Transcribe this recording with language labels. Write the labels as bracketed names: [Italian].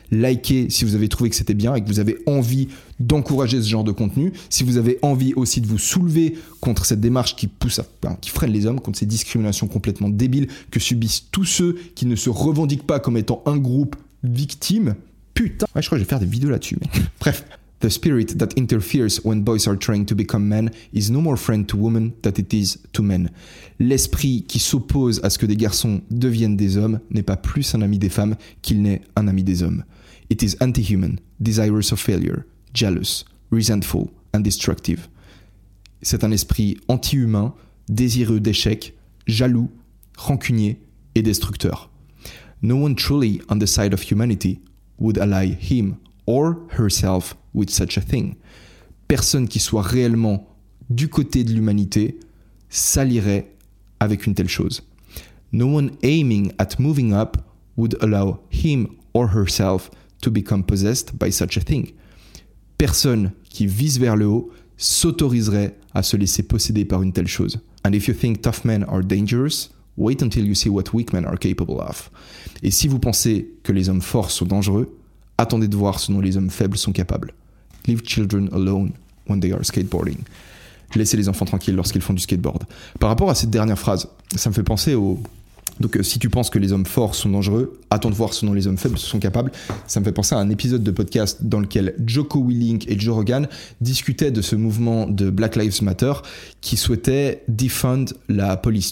[French] Likez si vous avez trouvé que c'était bien et que vous avez envie d'encourager ce genre de contenu. Si vous avez envie aussi de vous soulever contre cette démarche qui pousse, qui freine les hommes, contre ces discriminations complètement débiles que subissent tous ceux qui ne se revendiquent pas comme étant un groupe victime. Putain, ouais, je crois que je vais faire des vidéos là-dessus. Mais... Bref, [English] The spirit that interferes when boys are trying to become men is no more friend to women than it is to men. [French] L'esprit qui s'oppose à ce que des garçons deviennent des hommes n'est pas plus un ami des femmes qu'il n'est un ami des hommes. [English] It is anti-human, desirous of failure, jealous, resentful, and destructive. [French] C'est un esprit anti-humain, désireux d'échec, jaloux, rancunier et destructeur. [English] No one truly on the side of humanity would ally him or herself with such a thing. [French] Personne qui soit réellement du côté de l'humanité s'allierait avec une telle chose. [English] No one aiming at moving up would allow him or herself to become possessed by such a thing. [French] Personne qui vise vers le haut s'autoriserait à se laisser posséder par une telle chose. [English] And if you think tough men are dangerous, wait until you see what weak men are capable of. [French] Et si vous pensez que les hommes forts sont dangereux, attendez de voir ce dont les hommes faibles sont capables. [English] Leave children alone when they are skateboarding. [French] Laissez les enfants tranquilles lorsqu'ils font du skateboard. Par rapport à cette dernière phrase, ça me fait penser au... Donc, si tu penses que les hommes forts sont dangereux, attends de voir ce dont les hommes faibles sont capables. Ça me fait penser à un épisode de podcast dans lequel Joko Willink et Joe Rogan discutaient de ce mouvement de Black Lives Matter qui souhaitait defund la police.